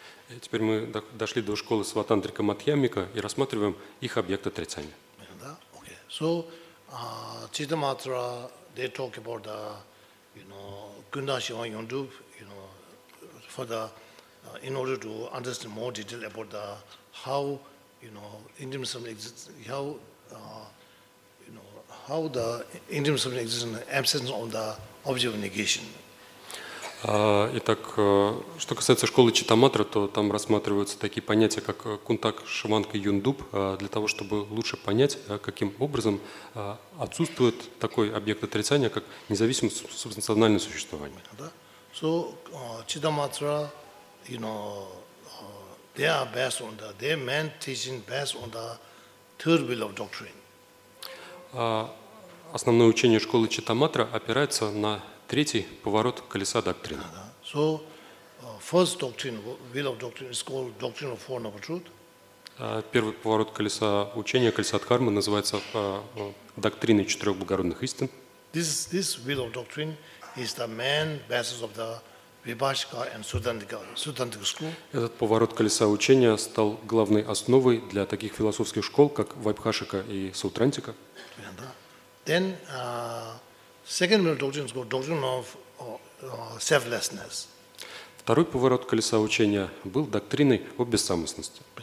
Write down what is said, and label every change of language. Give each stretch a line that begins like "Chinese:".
Russian: И теперь мы дошли до школы Сватантрика Мадхьямика и рассматриваем их объект отрицания.
English: Yeah, okay. So Chittamatra, they talk about the, you know, Kundashiva Yundub, you know, for the in order to understand more detail about the how, you know, Indian something exists, how you know, how the Indian something exists in the absence of the object of negation.
Russian: Итак, что касается школы Читаматра, то там рассматриваются такие понятия, как кунтак, шванка, юндуб, для того, чтобы лучше понять, каким образом отсутствует такой объект отрицания, как независимое субстанциональное существование.
English: So, Читаматра, you know, they are based on the, their main teaching based on the third wheel of doctrine.
Russian: Основное учение школы Читаматра опирается на третий поворот колеса доктрины.
English: So, first doctrine, wheel of doctrine is called doctrine of Four Noble Truths.
Russian: Первый поворот колеса учения, колеса дхармы, называется доктриной четырех благородных истин.
English: This wheel of doctrine is the main basis of the
Russian: Этот поворот колеса учения стал главной основой для таких философских школ, как Вайбхашика и Саутрантика. Второй поворот колеса учения был доктриной о бессамостности.